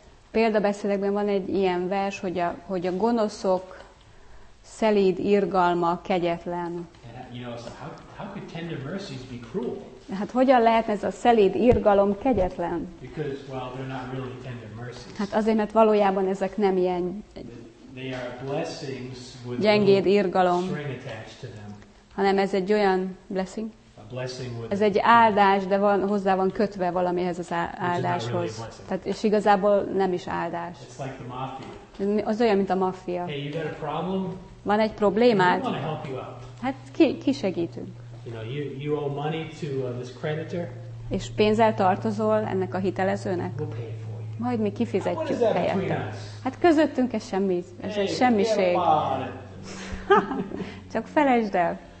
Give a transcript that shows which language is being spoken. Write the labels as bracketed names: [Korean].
[Hungarian] Példabeszédekben van egy ilyen vers, hogy a gonoszok szelíd irgalma kegyetlen. [English] How could tender mercies be cruel? [Hungarian] Hát hogyan lehet ez a szelíd irgalom kegyetlen? [English] Because, well, they're not really tender mercies. [Hungarian] Hát azért, mert valójában ezek nem ilyen [English] they are blessings with [Hungarian] gyengéd irgalom, [English] string attached to them. [Hungarian] Hanem ez egy olyan blessing. [English] A blessing with [Hungarian] ez egy áldás, de hozzá van kötve valamihez az áldáshoz. [English] a blessing. [Hungarian] Tehát, és igazából nem is áldás. [English] It's like the mafia. [Hungarian] Az olyan, mint a maffia. [English] Hey, you got a problem? [Hungarian] Van egy problémád? [English] We want to help you out. [Hungarian] Hát ki segítünk? [English] You know, you owe money to this creditor. [Hungarian] És pénzzel tartozol ennek a hitelezőnek. [English] We'll pay for you. [Hungarian] Majd mi kifizetjük helyette. Hát közöttünk ez semmi, ez egy semmiség. Csak felejtsd el.